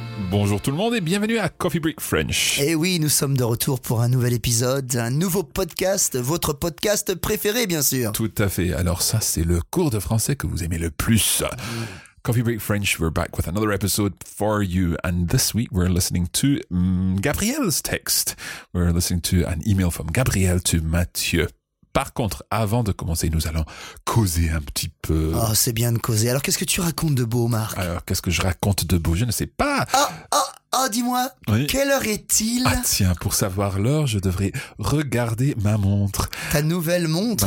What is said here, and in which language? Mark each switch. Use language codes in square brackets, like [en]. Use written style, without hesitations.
[fr] Bonjour tout le monde et bienvenue à Coffee Break French. Et oui, nous sommes de retour pour un nouvel épisode, un nouveau podcast, votre podcast préféré bien sûr. Tout à fait, alors ça c'est le cours de français que vous aimez le plus. [en] Coffee Break French, we're back with another episode for you. And this week we're listening to Gabrielle's text. We're listening to an email from Gabrielle to Mathieu. [fr] Par contre, avant de commencer, nous allons causer un petit peu. Oh, c'est bien de causer. Alors, qu'est-ce que tu racontes de beau, Marc? Alors, qu'est-ce que je raconte de beau? Je ne sais pas. Oh, dis-moi, oui. Quelle heure est-il? Ah tiens, pour savoir l'heure, je devrais regarder ma montre. Ta nouvelle montre?